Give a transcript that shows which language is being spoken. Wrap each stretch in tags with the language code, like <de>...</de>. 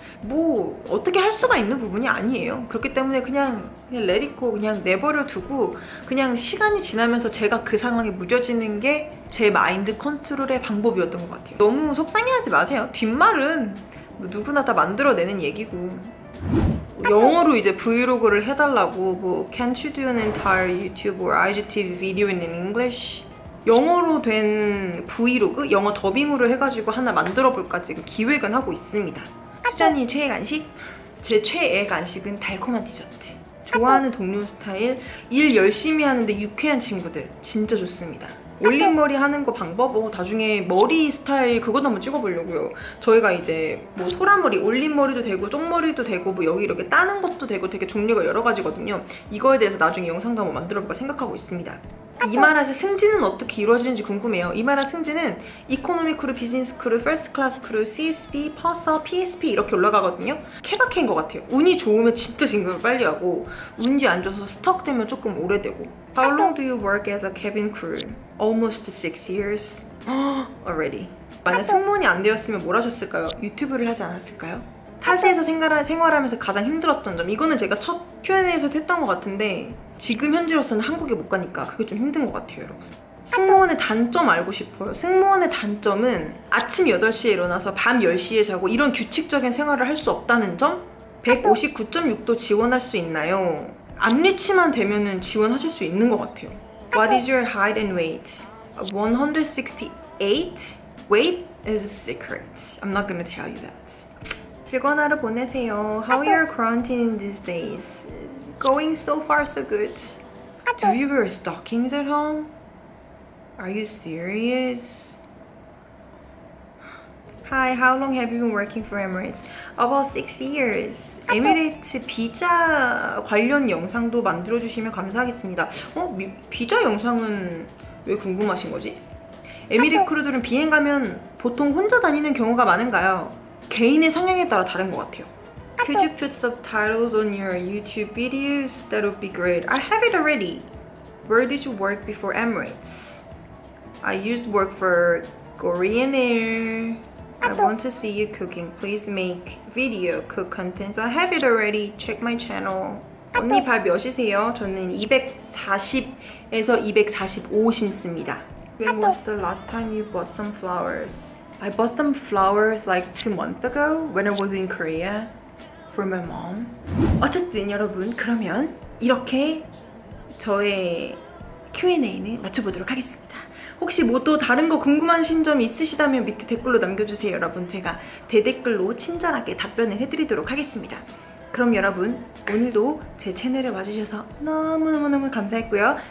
<ko>뭐 어떻게 할 수가 있는 부분이 아니에요. 그렇기 때문에 그냥</ko> <en>let it go,</en> <ko>그냥 내버려 두고 그냥 시간이 지나면서 제가 그 상황에 무뎌지는 게 제 마인드 컨트롤의 방법이었던 것 같아요. 너무 속상해하지 마세요. 뒷말은 뭐 누구나 다 만들어내는 얘기고. 영어로 이제 브이로그를 해달라고 뭐</ko> <en>Can't you do an entire YouTube or IGTV video in English?</en> <ko>영어로 된 브이로그? 영어 더빙으로 해가지고 하나 만들어볼까 지금 기획은 하고 있습니다. 수잔이 최애 간식? 제 최애 간식은 달콤한 디저트. 좋아하는 동료 스타일, 일 열심히 하는데 유쾌한 친구들 진짜 좋습니다. 올림머리 하는 거 방법? 나중에 머리 스타일 그것도 한번 찍어보려고요. 저희가 이제 뭐 소라머리, 올림머리도 되고 쪽머리도 되고 뭐 여기 이렇게 따는 것도 되고 되게 종류가 여러 가지거든요. 이거에 대해서 나중에 영상도 한번 만들어볼까 생각하고 있습니다. 이마라의 승진은 어떻게 이루어지는지 궁금해요. 이마라 승진은 이코노미 크루, 비즈니스 크루, 퍼스트 클래스 크루, CSP, 퍼서, PSP 이렇게 올라가거든요. 케바케인 것 같아요. 운이 좋으면 진짜 진급을 빨리 하고 운이 안 좋아서 스톡 되면 조금 오래되고.</ko> <en>How long do you work as a cabin crew? Almost 6 years already.</en> <ko>만약 승무원이 안 되었으면 뭘 하셨을까요? 유튜브를 하지 않았을까요? 타지에서 생활하면서 가장 힘들었던 점, 이거는 제가 첫 Q&A에서 했던 것 같은데 지금 현지로서는 한국에 못 가니까 그게 좀 힘든 것 같아요, 여러분. 승무원의 단점 알고 싶어요. 승무원의 단점은 아침 8시에 일어나서 밤 10시에 자고 이런 규칙적인 생활을 할 수 없다는 점? 159.6도 지원할 수 있나요? 앞니치만 되면은 지원하실 수 있는 것 같아요.</ko> <en>What is your height and weight? 168? Weight is a secret. I'm not gonna tell you that.</en> <ko>즐거운 하루 보내세요.</ko> <en>How are you quarantining these days? Going so far so good. Do you wear stockings at home? Are you serious? Hi, how long have you been working for Emirates? About 6 years.</en> <ko>Emirates 비자 관련 영상도 만들어주시면 감사하겠습니다. 비자 영상은 왜 궁금하신 거지? Emirates 크루들은 비행 가면 보통 혼자 다니는 경우가 많은가요? 개인의 성향에 따라 다른 것 같아요.</ko> <en>Could you put subtitles on your YouTube videos? That would be great. I have it already. Where did you work before Emirates? I used to work for Korean Air. I want to see you cooking. Please make video cook contents. I have it already. Check my channel.</en> <ko>언니 발 몇이세요? 저는 240에서 245 신습니다.</ko> <en>When was the last time you bought some flowers? I bought some flowers like 2 months ago when I was in Korea for my mom.</en> <ko>어쨌든 여러분 그러면 이렇게 저의 Q&A는 맞춰보도록 하겠습니다. 혹시 뭐 또 다른 거 궁금하신 점 있으시다면 밑에 댓글로 남겨주세요. 여러분 제가 대댓글로 친절하게 답변을 해드리도록 하겠습니다. 그럼 여러분 오늘도 제 채널에 와주셔서 너무너무너무 감사했고요.</ko>